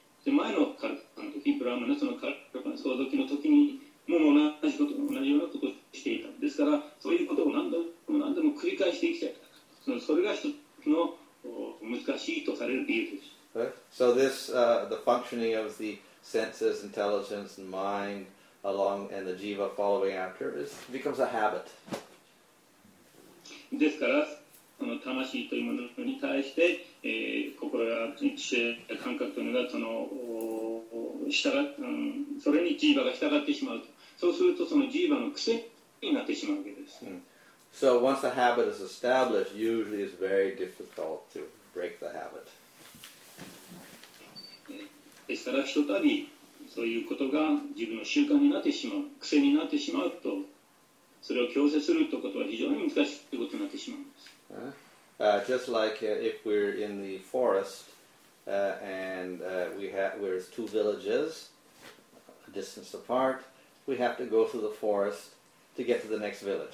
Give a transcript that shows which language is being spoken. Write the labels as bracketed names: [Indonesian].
[Japanese] で前のカルパの時、ブラーマのそのカルパの総時の時にも同じこと、同じようなことをしていた。ですから、そういうことを何度も何度も繰り返していきたい。それが一つの難しいとされる理由です。 [English] Right. So this, the functioning of the senses, intelligence, and mind along, and the jiva following after, is, becomes a habit. [Japanese] ですから、その魂というものに対して、心や知性、感覚というのが、その、従って、それにジーバが従ってしまうと。そうすると、そのジーバの癖になってしまうわけです。 Mm. [English] So once a habit is established, usually it's very difficult to break the habit. [Japanese] ですから、ひとたびそういうことが自分の習慣になってしまう、癖になってしまうと、それを強制するということは非常に難しいということになってしまうんです。 [English] Just like if we're in the forest and there's two villages a distance apart, we have to go through the forest to get to the next village.